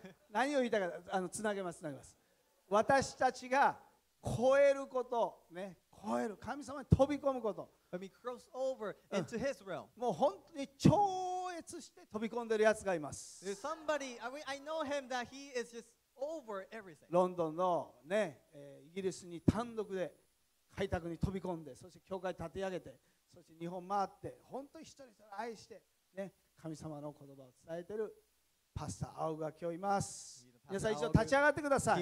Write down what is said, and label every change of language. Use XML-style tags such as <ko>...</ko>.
<ja>何を言いたいか、つなげます、つなげます。私たちが超えること、ね、超える、神様に飛び込むこと。</ja> <en>We cross over into his realm.</en> <ja>もう本当に超越して飛び込んでるやつがいます。</ja> <en>There's somebody, I know him that he is just over everything.</en> <ja>ロンドンの、ね、イギリスに単独で開拓に飛び込んで、そして教会立て上げて、そして日本回って、本当に一人一人愛して、ね、神様の言葉を伝えているパスター青が今日います。皆さん一度立ち上がってください。</ja>